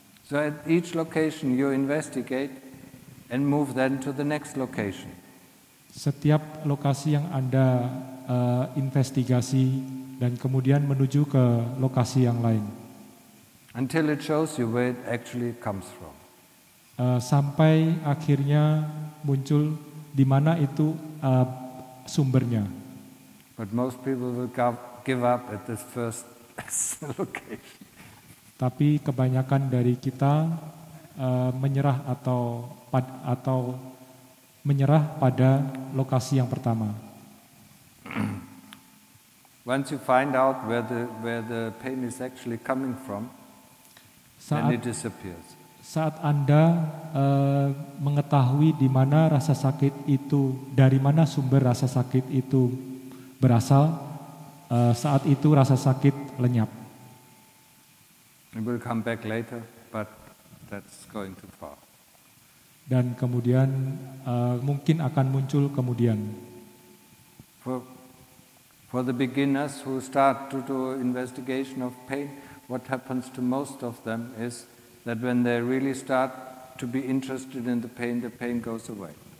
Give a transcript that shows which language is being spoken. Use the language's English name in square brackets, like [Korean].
[English] So at each location you investigate and move then to the next location. [Indonesian] Setiap lokasi yang Anda investigasi dan kemudian menuju ke lokasi yang lain. [English] Until it shows you where it actually comes from. [Indonesian] Sampai akhirnya muncul di mana itu sumbernya. [English] But most people will give up at this first location. [Indonesian] Tapi kebanyakan dari kita menyerah atau menyerah pada lokasi yang pertama. [English] Once you find out where the pain is actually coming from, then it disappears. [Indonesian] Saat Anda mengetahui di mana rasa sakit itu, dari mana sumber rasa sakit itu berasal, saat itu rasa sakit lenyap. [English] It will come back later, but that's going too far. [Indonesian] Dan kemudian mungkin akan muncul kemudian. [English] For the beginners who start to do investigation of pain, what happens to most of them is that when they really start to be interested in the pain goes away.